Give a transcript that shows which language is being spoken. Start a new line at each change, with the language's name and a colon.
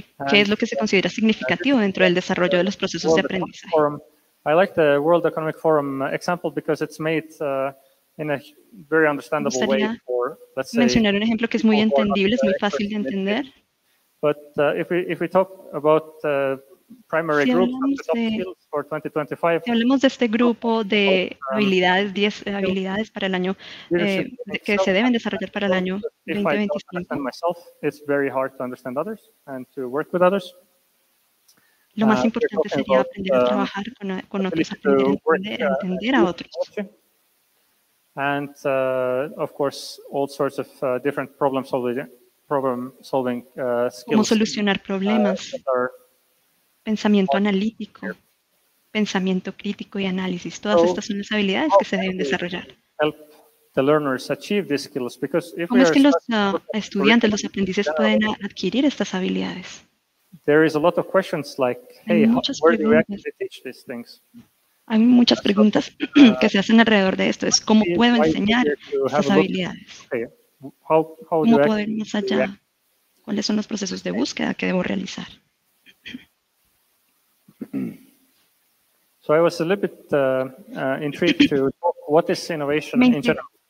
Spanish: ¿Qué es lo que se considera significativo dentro del desarrollo de los procesos de aprendizaje?
English: I like the World Economic Forum example because it's made in a very understandable way.
Spanish: Mencionar un ejemplo que es muy entendible, es muy fácil de entender.
English: But if we talk about primary groups, for 2025.
Spanish: Si hablamos de este grupo de habilidades, 10 habilidades para el año que se deben desarrollar para el año 2025.
English: It's very hard to understand others and to work with others.
Spanish: Lo más importante sería aprender a trabajar con otros, aprender a entender a otros.
English: And of course, all sorts of different problem solving skills.
Spanish: Cómo solucionar problemas. Pensamiento analítico, pensamiento crítico y análisis. Todas estas son las habilidades que se deben desarrollar.
English: The learners achieve these skills because if
Spanish: ¿cómo es que los estudiantes, los aprendices pueden adquirir estas habilidades?
English: There is a lot of questions like, hey, where do we actually teach these things?
Spanish: Hay muchas preguntas que se hacen alrededor de esto. Es cómo puedo enseñar estas habilidades. ¿Cómo puedo ir más allá? ¿Cuáles son los procesos de búsqueda que debo realizar?
English: So I was a little bit intrigued to talk, what is innovation in general?